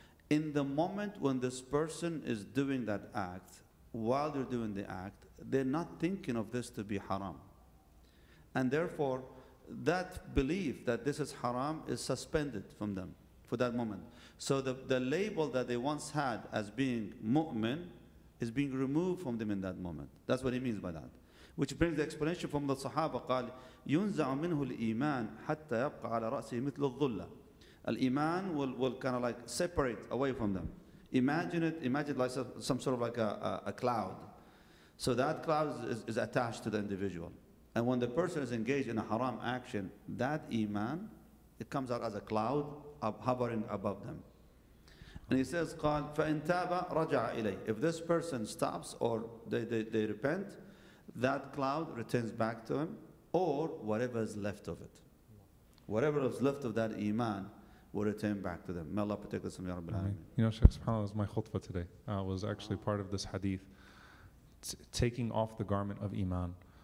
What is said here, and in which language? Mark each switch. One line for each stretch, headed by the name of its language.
English: In the moment when this person is doing that act, while they're doing the act, they're not thinking of this to be haram. And therefore, that belief that this is haram is suspended from them for that moment. So the label that they once had as being mu'min is being removed from them in that moment. That's what he means by that. Which brings the explanation from the Sahaba,
Arabic: قال يُنزَعُ مِنْهُ الْإِيمَانِ حَتَّى يَبْقَ عَلَى رَأْسِهِ مِثْلُ الظُّلَّةِ.
English: Al-Iman will kind of like separate away from them. Imagine like some sort of like a cloud. So that cloud is attached to the individual. And when the person is engaged in a haram action, that Iman, it comes out as a cloud hovering above them. And he says,
Arabic: قال فَإِنْ تَابَ رَجَعَ إِلَيْهِ.
English: If this person stops or they repent, that cloud returns back to him, or whatever is left of it. Whatever is left of that iman will return back to them. May Allah protect us from Ya Rabbil Alameen. You know, Shaykh SubhanAllah, was my khutbah today. I was actually part of this hadith, taking off the garment of iman.